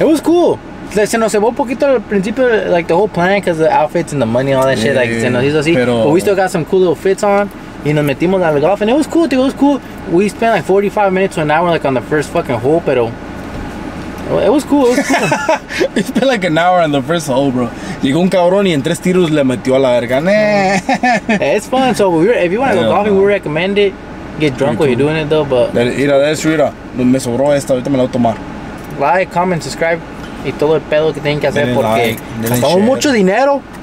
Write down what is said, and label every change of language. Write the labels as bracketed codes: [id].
[en] it was cool. [es] Se nos llevó un poquito al principio, [en] like, the whole plan, because the outfits and the money and all that shit, like, [es] se nos hizo así. [en] But we still got some cool little fits on. [es] Y nos metimos al golf, [en] and it was cool, dude, it was cool. We spent like 45 minutes to an hour like on the first fucking hole, pero it was cool. We spent like an hour on the first hole, bro. [es] Llegó un cabrón y en tres tiros le metió a la verga. [en] It's fun, so if you want to go golfing, we recommend it. Get drunk while you're doing it, though, but. [es] Mira, [en] that's true, [es] me sobró esta, ahorita me la voy a tomar. [en] Like, comment, subscribe, [es] y todo el pedo que tienen que hacer, porque gastamos mucho dinero.